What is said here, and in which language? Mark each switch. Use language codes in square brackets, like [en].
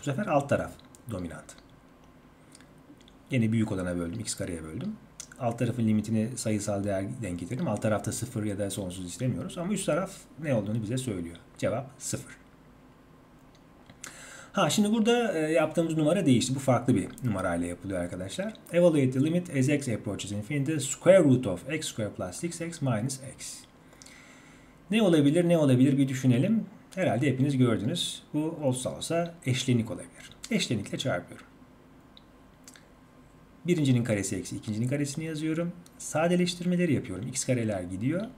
[tr] Bu sefer alt taraf dominant. Yine büyük olana böldüm. X kareye böldüm. Alt tarafın limitini sayısal değer denk getirdim. Alt tarafta 0 ya da sonsuz istemiyoruz. Ama üst taraf ne olduğunu bize söylüyor. Cevap 0. Ha şimdi burada yaptığımız numara değişti. Bu farklı bir numarayla yapılıyor arkadaşlar. [en] Evaluate the limit as x approaches infinity. Square root of x square plus 6x minus x. [tr] Ne olabilir, ne olabilir bir düşünelim. Herhalde hepiniz gördünüz. Bu olsa olsa eşlenik olabilir. Eşlenikle çarpıyorum. Birincinin karesi eksi ikincinin karesini yazıyorum. Sadeleştirmeleri yapıyorum. X kareler gidiyor.